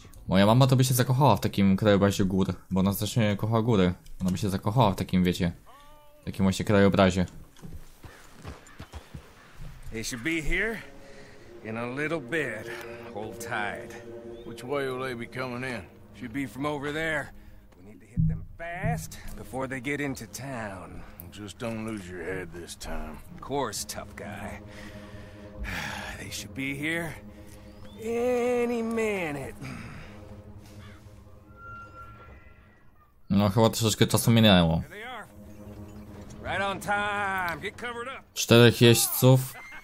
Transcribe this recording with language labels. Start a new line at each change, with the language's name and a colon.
Polish: Moja mama to by się zakochała w takim krajobrazie gór, bo ona strasznie kocha góry. Ona by się zakochała w takim, wiecie, w takim właśnie krajobrazie.
English: They should be here in a little bit. Hold tight. Which way will they be coming in? Should be from over there. We need to hit them fast before they get into town. Just don't lose your head this time. Of course, tough guy. They should be here any minute.
Polish: No, chyba troszeczkę czasu minęło.
English: Right on time. Get covered up.
Polish: Czterech jeźdźców.